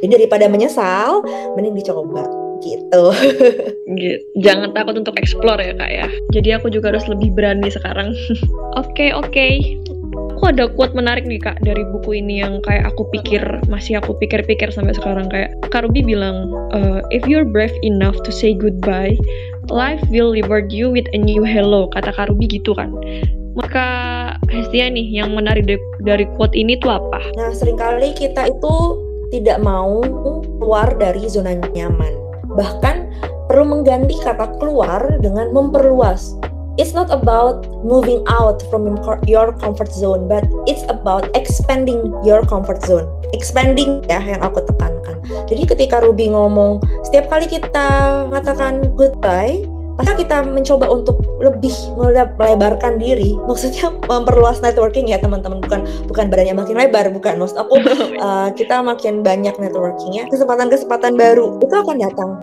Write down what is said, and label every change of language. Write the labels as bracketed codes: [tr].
[id] Jadi daripada menyesal, mending dicoba. Gitu. Jangan takut untuk explore ya kak ya. Jadi aku juga harus lebih berani sekarang. Okay. Aku ada quote menarik nih kak dari buku ini yang kayak aku pikir-pikir sampai sekarang. Kayak Kak Ruby bilang, [en] if you're brave enough to say goodbye, life will reward you with a new hello. [id] Kata Kak Ruby gitu kan. Maka Hestia nih, yang menarik dari quote ini tuh apa? Nah, seringkali kita itu tidak mau keluar dari zona nyaman. Bahkan perlu mengganti kata keluar dengan memperluas. [en] It's not about moving out from your comfort zone, but it's about expanding your comfort zone. [id] Expanding ya, yang aku tekankan. Jadi ketika Ruby ngomong, setiap kali kita mengatakan goodbye, pasti kita mencoba untuk lebih melebarkan diri. Maksudnya memperluas networking ya teman-teman. Bukan badannya makin lebar, bukan. Maksud aku, kita makin banyak networkingnya. Kesempatan-kesempatan baru itu akan datang.